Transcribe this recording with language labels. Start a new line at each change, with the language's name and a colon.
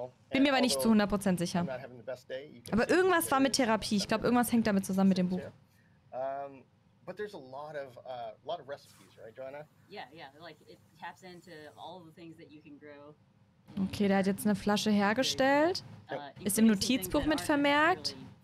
German: Bin mir aber nicht zu 100% sicher. Aber irgendwas war mit Therapie. Ich glaube, irgendwas hängt damit zusammen mit dem Buch.
English: But there's a lot of recipes, right, Joanna? Yeah, like it taps into all the things that you can grow.
German: Okay, der hat jetzt eine Flasche hergestellt. Ist im Notizbuch mit vermerkt.